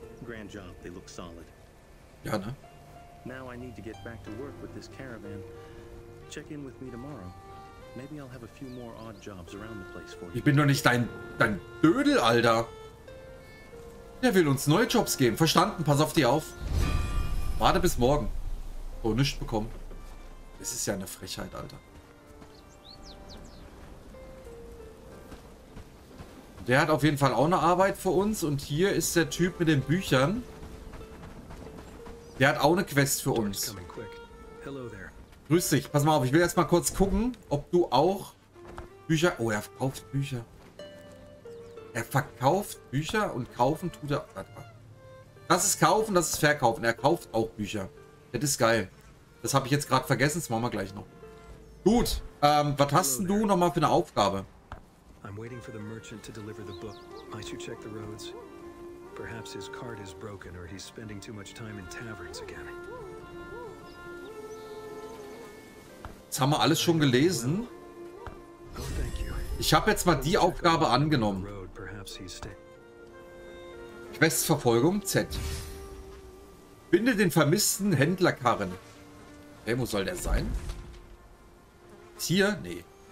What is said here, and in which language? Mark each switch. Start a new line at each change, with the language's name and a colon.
English: Grand job, they look solid.
German: Ja, ne?
English: Now I need to get back to work with this caravan. Check in with me tomorrow. Maybe I'll have a few more odd jobs around the place for you.
German: Ich bin doch nicht dein Dödel, Alter. Der will uns neue Jobs geben. Verstanden, pass auf dich auf. Warte bis morgen. Oh, nichts bekommen. Das ist ja eine Frechheit, Alter. Der hat auf jeden Fall auch eine Arbeit für uns. Und hier ist der Typ mit den Büchern. Der hat auch eine Quest für uns. Grüß dich. Pass mal auf, ich will jetzt mal kurz gucken, ob du auch Bücher... Oh, er verkauft Bücher. Er verkauft Bücher und kaufen tut er... Das ist kaufen, das ist verkaufen. Er kauft auch Bücher. Das ist geil. Das habe ich jetzt gerade vergessen, das machen wir gleich noch. Gut, was hast denn du nochmal für eine Aufgabe?
English: I'm waiting for the merchant to deliver the book. Might you check the roads? Perhaps his cart is broken or he's spending too much time in taverns again.
German: Das haben wir alles schon gelesen. Ich habe jetzt mal die Aufgabe angenommen. Questverfolgung Z. Finde den vermissten Händlerkarren. Hey, wo soll der sein? Ist hier? Nee.